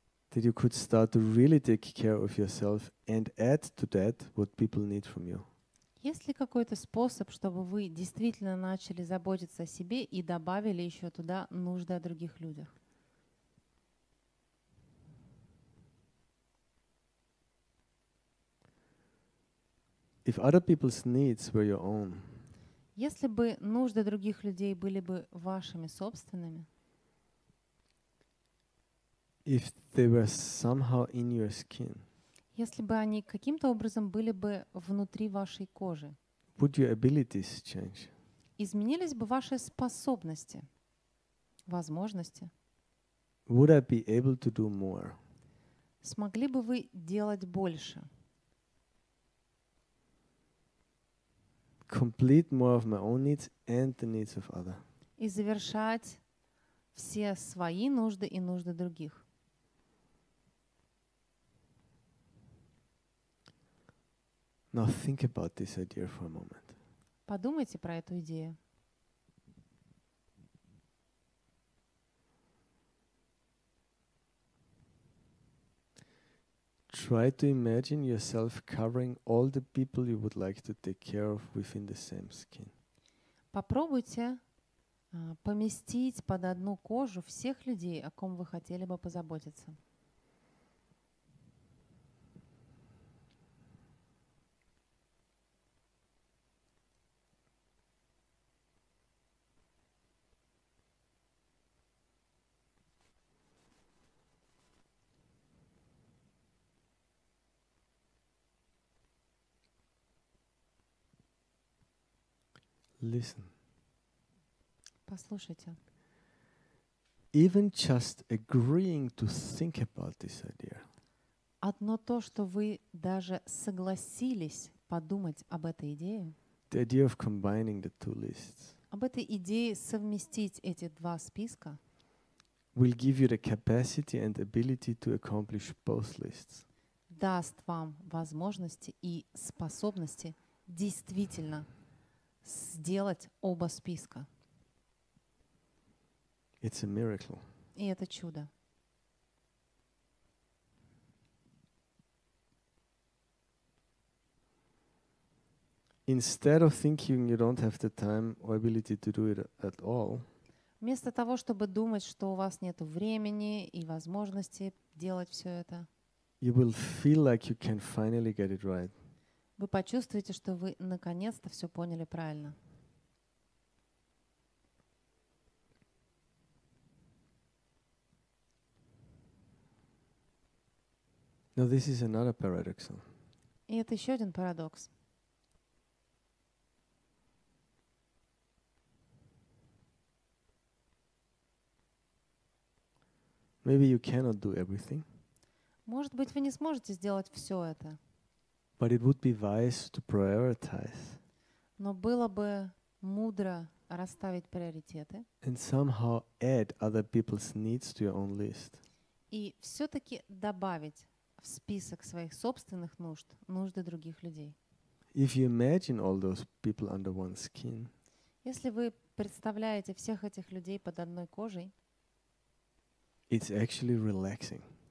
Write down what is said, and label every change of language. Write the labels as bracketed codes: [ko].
[en] That you could start to really take care of yourself and add to that what people need from you? [ru] Есть ли какой-то способ, чтобы вы действительно начали заботиться о себе и добавили еще туда нужды о других людях? [en] If other people's needs were your own, [ru] если бы нужды других людей были бы вашими собственными, [en] if they were somehow in your skin, [ru] если бы они каким-то образом были бы внутри вашей кожи, [en] would your abilities change? [ru] Изменились бы ваши способности, возможности? [en] Would I be able to do more? [ru] Смогли бы вы делать больше? [en] Complete more of my own needs and the needs of other. [ru] И завершать все свои нужды и нужды других. [en] Now think about this idea for a moment. [ru] Подумайте про эту идею. [en] Try to imagine yourself covering all the people you would like to take care of within the same skin. [ru] Попробуйте поместить под одну кожу всех людей, о ком вы хотели бы позаботиться. [en] Listen. [ru] Послушайте. [en] Even just agreeing to think about this idea. [ru] Одно то, что вы даже согласились подумать об этой идее. [en] The idea of combining the two lists. [ru] Об этой идее совместить эти два списка. [en] Will give you the capacity and ability to accomplish both lists. [ru] даст вам возможности и способности действительно сделать оба списка. [en] It's a miracle. [ru] И это чудо. [en] Instead of thinking you don't have the time or ability to do it at all. [ru] Вместо того, чтобы думать, что у вас нет времени и возможности делать все это. [en] You will feel like you can finally get it right. [ru] Вы почувствуете, что вы наконец-то все поняли правильно. [en] Now this is another paradox. [ru] И это еще один парадокс. [en] Maybe you cannot do everything. [ru] Может быть, вы не сможете сделать все это. [en] But it would be wise to prioritize. [ru] Но было бы мудро расставить приоритеты. [en] And somehow add other people's needs to your own list. [ru] И все-таки добавить в список своих собственных нужд нужды других людей. [en] If you imagine all those people under one skin. [ru] Если вы представляете всех этих людей под одной кожей. [en] It's actually relaxing.